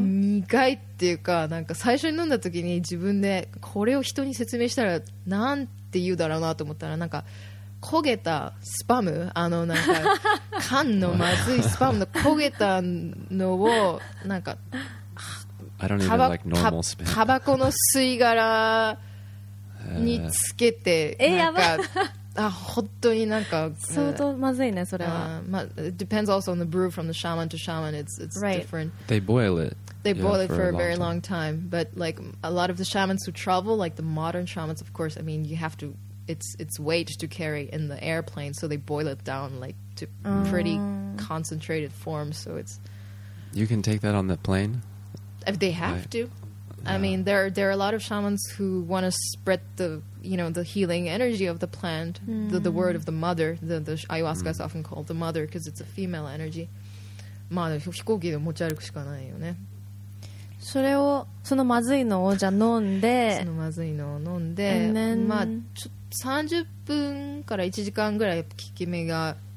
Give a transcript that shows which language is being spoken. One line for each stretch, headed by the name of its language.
Japanese: 苦いっていうかなんか最初に飲んだ時に自分でこれを人に説明したらなんて言うだろうなと思ったらなんか焦げたスパムあのなんか缶のまずいスパムの焦げたのをなんかタバコの吸い殻につけてなんかえやばっあ本当になんか相当まずいねそれは、まあ、
English: it depends also on the brew from the shaman to shaman it's right. different they boil it they boil yeah, it for a very long time but like a lot of the shamans who travel like the modern shamans of course I mean you have to it's weight to carry in the airplane so they boil it down like to pretty concentrated form so it's you can take that on the plane if they have to I mean, there are a lot of shamans who want to spread the, you know, the healing energy of the plant, the word of the mother. The ayahuasca is often called the mother because it's a female energy.
Japanese: まあ、飛行機で持ち歩くしかないよね。それを、そのまずいのをじゃあ飲んで。そのまずいのを飲んで。
English: Then,
Japanese: まあ、30分から1時間ぐらい効き目が、